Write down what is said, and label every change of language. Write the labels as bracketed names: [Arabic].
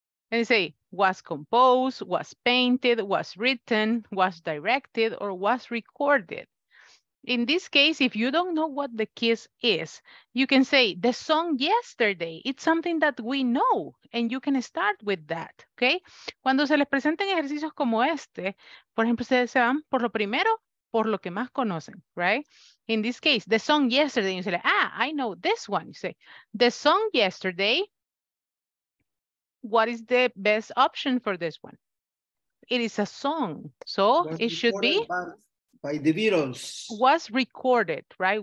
[English] And say, was composed, was painted, was written, was directed, or was recorded. In this case, if you don't know what the kiss is, you can say the song yesterday. It's something that we know, and you can start with that, okay? [Spanish] Cuando se les presenten ejercicios como este, por ejemplo, ustedes se van por lo primero, por lo que más conocen, [English] right? In this case, the song yesterday, you say, ah, I know this one. You say, the song yesterday, what is the best option for this one? It is a song, so it should be... By the Beatles. Was recorded, right?